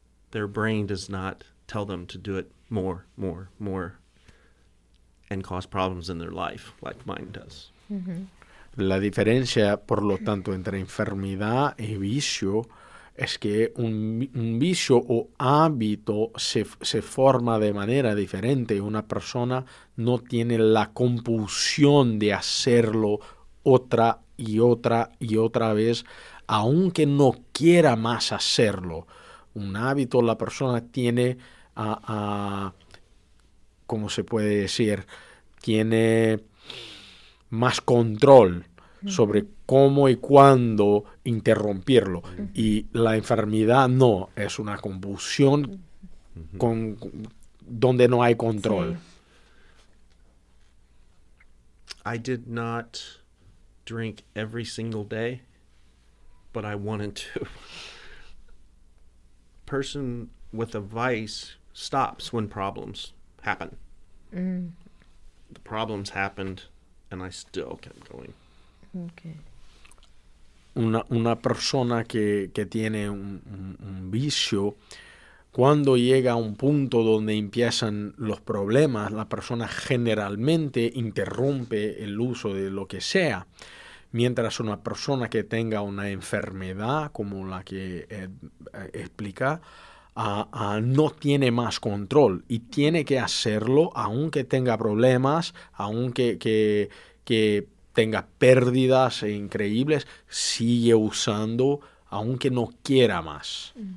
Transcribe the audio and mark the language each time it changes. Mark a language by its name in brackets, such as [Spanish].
[English] Their brain does not tell them to do it more, more, more, and cause problems in their life like mine does. Mm-hmm. [Spanish] La diferencia, por lo tanto, entre enfermedad y vicio es que un vicio o hábito se forma de manera diferente. Una persona no tiene la compulsión de hacerlo otra y otra y otra vez, aunque no quiera más hacerlo. Un hábito la persona tiene, ¿cómo se puede decir? Tiene más control sobre cómo y cuándo interrumpirlo. Y la enfermedad no, es una convulsión con donde no hay control. [English] I did not drink every single day, but I wanted to. Person with a vice stops when problems happen. The problems happened and I still kept going. Okay. [Spanish] Una persona que tiene un vicio, cuando llega a un punto donde empiezan los problemas, la persona generalmente interrumpe el uso de lo que sea. Mientras una persona que tenga una enfermedad como la que explica, no tiene más control y tiene que hacerlo aunque tenga problemas, aunque que tenga pérdidas increíbles, sigue usando aunque no quiera más.